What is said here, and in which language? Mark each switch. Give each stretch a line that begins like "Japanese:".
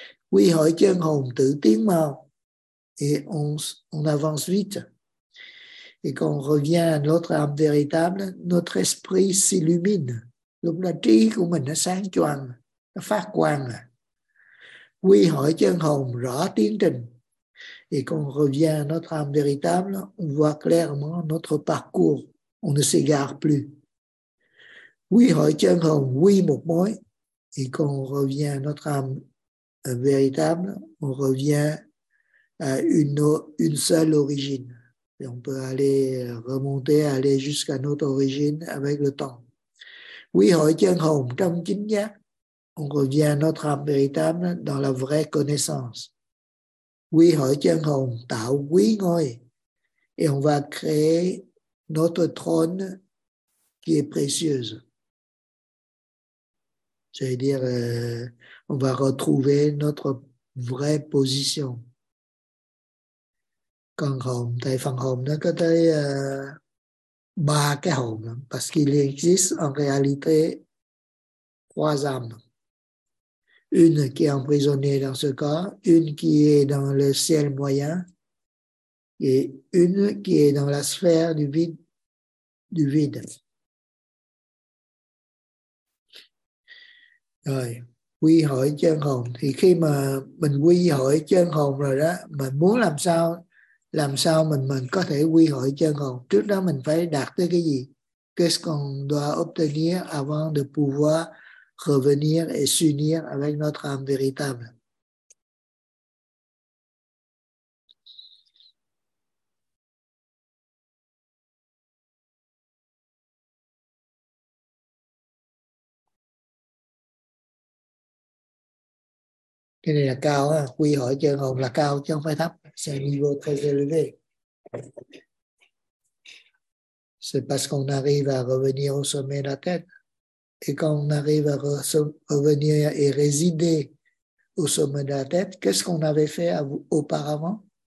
Vietnamese: Quý hội chân hồn tự tiến mau
French: et on avance vite. Et quand on revient à notre âme véritable, notre esprit s'illumine.
Vietnamese: Lúc là trí của mình nó sáng choang, nó phát quang. Quy hội chân hồn rõ tiến trình.
French: Et quand on revient à notre âme véritable, on voit clairement notre parcours. On ne s'égare plus.
Vietnamese: Quy hội chân hồn, quy một mối.
French: Et quand on revient à notre âme véritable, on revient à une seule origine. Et on peut aller remonter, aller jusqu'à notre origine avec le temps.
Vietnamese: Quy hội chân hồn trong chính giác.
French: On revient à notre âme véritable dans la vraie connaissance.
Vietnamese: Quy hội chân hồn tạo quý ngôi.
French: Et on va créer notre trône qui est précieuse. C'est-à-dire, on va retrouver notre vraie position.
Vietnamese: Quand hồn, tại phần hồn nó có tới ba cái hồn.
French: Parce qu'il existe en réalité trois âmes. Une qui est emprisonnée dans ce corps, une qui est dans le ciel moyen et une qui est dans la sphère du vide. Du vide.
Vietnamese: Rồi, quy hội chân hồn. Thì khi mà mình quy hội chân hồn rồi đó, mình muốn làm sao? Làm sao mình có thể quy hội chân hồn? Trước đó mình phải đạt tới cái gì?
French: Qu'est-ce qu'on doit obtenir avant de pouvoir revenir et s'unir avec notre âme véritable?
Vietnamese: Cái này là cao, quy hội chân hồn là cao chứ không phải thấp.
French: C'est un niveau très élevé. C'est parce qu'on arrive à revenir au sommet de la tête. Et quand on arrive à revenir et résider au sommet de la tête, qu'est-ce qu'on avait fait auparavant?